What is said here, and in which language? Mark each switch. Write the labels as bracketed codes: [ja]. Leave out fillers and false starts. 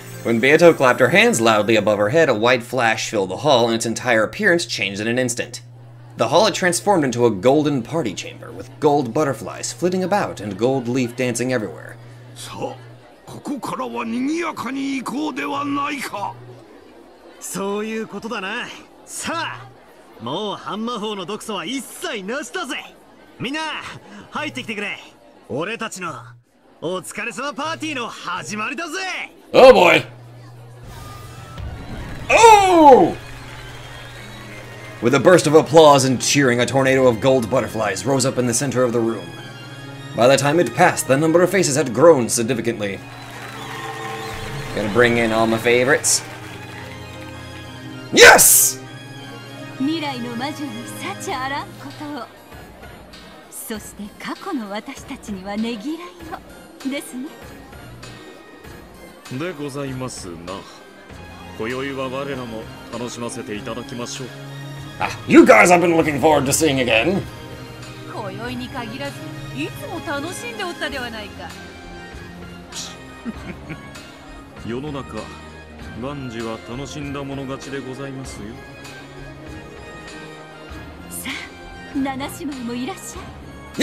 [en] When Beato clapped her hands loudly above her head, a white flash filled the hall, and its entire appearance changed in an instant. The hall had transformed into a golden party chamber, with gold butterflies flitting about and gold leaf dancing everywhere. [ja] さあ、ここからは賑やかに行こうではないか。そういうことだな。さあ、もうハンマ法の毒素は一切なしだぜ。みんな、入ってきてくれ。俺たちのお疲れ様パーティーの始まりだぜ。 [en] Oh boy. Oh! With a burst of applause and cheering, a tornado of gold butterflies rose up in the center of the room. By the time it passed, the number of faces had grown significantly. Gonna bring in all my favorites. Yes! [ja] 未来の魔女に幸あらんことを。そして過去の私たちにはねぎらいを。ですね。でございますな。今宵は我らも楽しませていただきましょう。 [en] Ah, you guys I've been looking forward to seeing again. [ja] 今宵に限らず、いつも楽しんでおったではないか。世の中、万事は楽しんだ者勝ちでございますよ。さあ、七姉妹もいらっしゃい。